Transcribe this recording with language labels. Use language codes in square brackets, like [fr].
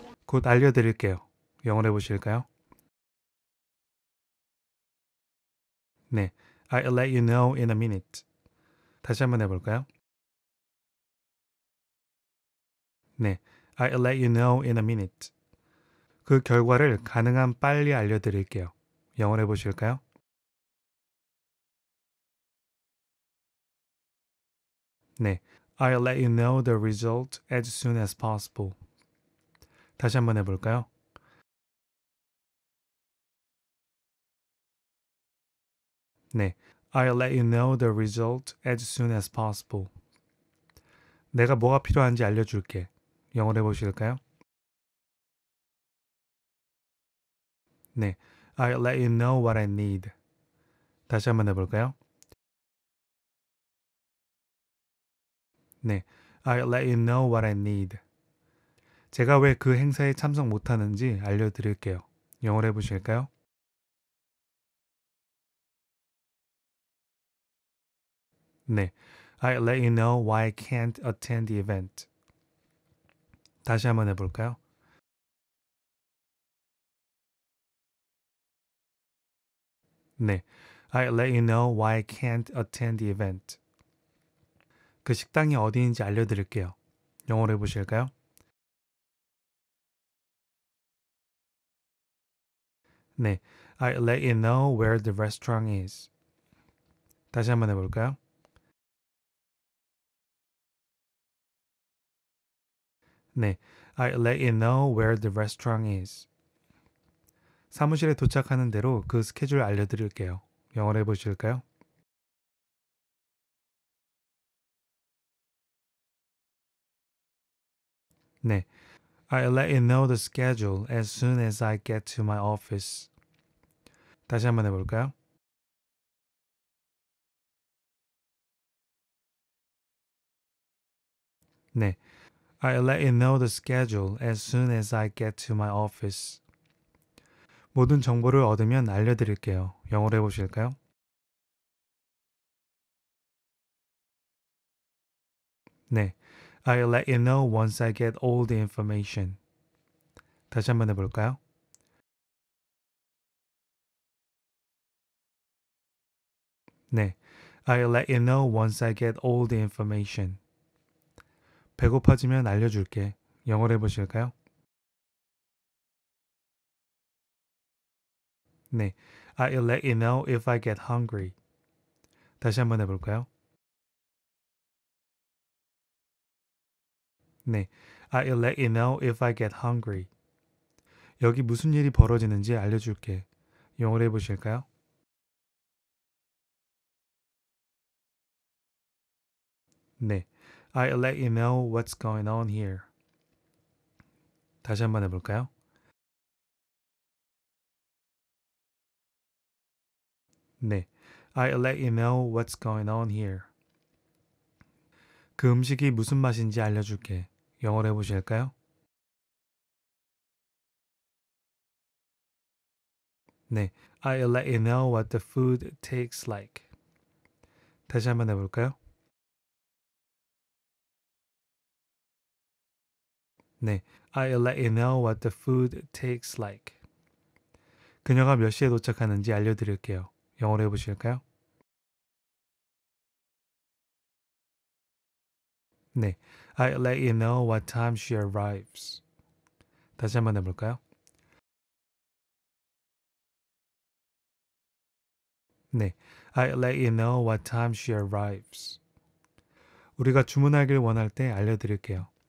[ko] 곧 알려드릴게요. 영어를 해보실까요? [en] 네, I'll let you know in a minute. [ko] 다시 한번 해볼까요? [en] 네, I'll let you know in a minute. [ko] 그 결과를 가능한 빨리 알려드릴게요. 영어로 해보실까요? [en] 네, I'll let you know the result as soon as possible. [ko] 다시 한번 해볼까요? [en] 네, I'll let you know the result as soon as possible. [ko] 내가 뭐가 필요한지 알려줄게. 영어로 해보실까요? [en] 네, I'll let you know what I need. [ko] 다시 한번 해볼까요? [en] 네, I'll let you know what I need. [ko] 제가 왜 그 행사에 참석 못하는지 알려드릴게요. 영어로 해보실까요? [en] 네, I'll let you know why I can't attend the event. [ko] 다시 한번 해볼까요? [en] 네, I'll let you know why I can't attend the event. [ko] 그 식당이 어디인지 알려드릴게요. 영어로 해보실까요? [en] 네, I'll let you know where the restaurant is. [ko] 다시 한번 해볼까요? [en] 네, I'll let you know where the restaurant is. [ko] 사무실에 도착하는 대로 그 스케줄 알려드릴게요. 영어로 해보실까요? [en] 네, I'll let you know the schedule as soon as I get to my office. [ko] 다시 한번 해볼까요? [en] 네, I'll let you know the schedule as soon as I get to my office. [ko] 모든 정보를 얻으면 알려드릴게요. 영어로 해보실까요? [en] 네, I'll let you know once I get all the information. [ko] 다시 한번 해볼까요? [en] 네, I'll let you know once I get all the information. [ko] 배고파지면 알려줄게. 영어로 해보실까요? [en] 네, I'll let you know if I get hungry. [ko] 다시 한번 해볼까요? [en] 네, I'll let you know if I get hungry. [ko] 여기 무슨 일이 벌어지는지 알려줄게. 영어로 해보실까요? [en] 네, I'll let you know what's going on here. [ko] 다시 한번 해볼까요? [en] 네, I'll let you know what's going on here. [ko] 그 음식이 무슨 맛인지 알려줄게. 영어로 해보실까요? [en] 네, I'll let you know what the food tastes like. [ko] 다시 한번 해볼까요? [en] 네, I'll let you know what the food tastes like. [ko] 그녀가 몇 시에 도착하는지 알려드릴게요. 영어로 해보실까요? [en] 네, I'll let you know what time she arrives. [ko] 다시 한번 해볼까요? [en] 네, I'll let you know what time she arrives. [ko] 우리가 주문하길 원할 때 알려드릴게요.